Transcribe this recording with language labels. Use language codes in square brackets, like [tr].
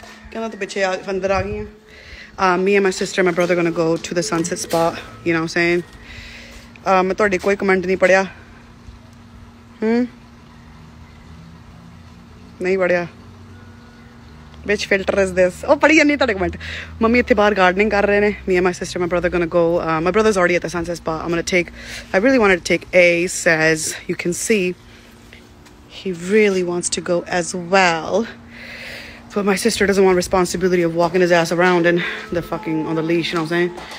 [en] Can let the bitch out from the doggy. Me and my sister and my brother gonna go to the sunset spot. You know what I'm saying? [pa] ਮੈਂ ਤੁਹਾਡੀ ਕੋਈ comment ਨਹੀਂ ਪੜ੍ਹਿਆ. ਨਹੀਂ ਪੜ੍ਹਿਆ. [en] Which filter is this? [pa] ਓਹ, ਪੜ੍ਹੀ ਨਹੀਂ ਤੁਹਾਡੇ ਕਮੈਂਟ. ਮੰਮੀ ਇੱਥੇ ਬਾਹਰ ਗਾਰਡਨਿੰਗ ਕਰ ਰਹੇ ਨੇ. [en] Me and my sister, my brother gonna go. My brother's already at the sunset spot. I really wanted to take Ace, as you can see. He really wants to go as well. But my sister doesn't want responsibility of walking his ass around and the fucking on the leash, you know what I'm saying?